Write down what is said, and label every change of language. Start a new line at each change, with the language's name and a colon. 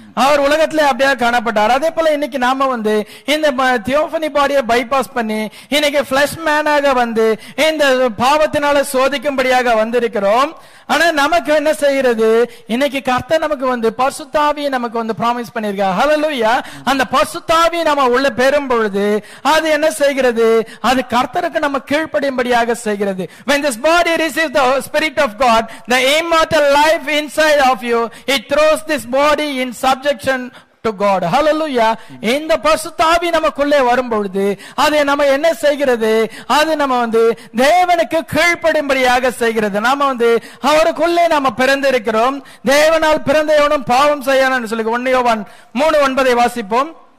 Tamil: அவர் உலகத்திலே அப்படியே காணப்பட்டார் அதே போல இன்னைக்கு நாம வந்து இந்த தியோபனி பாடியை பைபாஸ் பண்ணி இன்னைக்கு ஃபிளஷ் மேனாக வந்து இந்த பாவத்தினால சோதிக்கும்படியாக வந்திருக்கிறோம் ஆனா நமக்கு என்ன செய்யறது இன்னைக்கு கர்த்தர் நமக்கு வந்து பரிசுத்தாவியை நமக்கு வந்து பிராமிஸ் பண்ணிருக்கா. ஹல்லேலூயா. அந்த பரிசுத்தாவியை நாம உள்ள பெறும் பொழுது அது என்ன செய்கிறது? அது கர்த்தருக்கு நம்ம கீழ்ப்படியும்படியாக செய்கிறது.
English: When this body receives the spirit of God, the immortal life inside of you, it throws this body in subjection to God. Hallelujah.
Tamil: இந்த பரிசுத்தாவி நமக்குள்ளே வரும்பொழுது அது நம்ம என்ன செய்கிறது? அது நம்ம வந்து தேவனுக்கு கீழ்ப்படும்படியாக செய்கிறது. நாம வந்து அவருக்குள்ளே நாம பிறந்திருக்கிறோம். தேவனால் பிறந்த எவனும் பாவம் செய்யான்னு சொல்லுங்க. 1 யோவான் 3:9 வாசிப்போம்.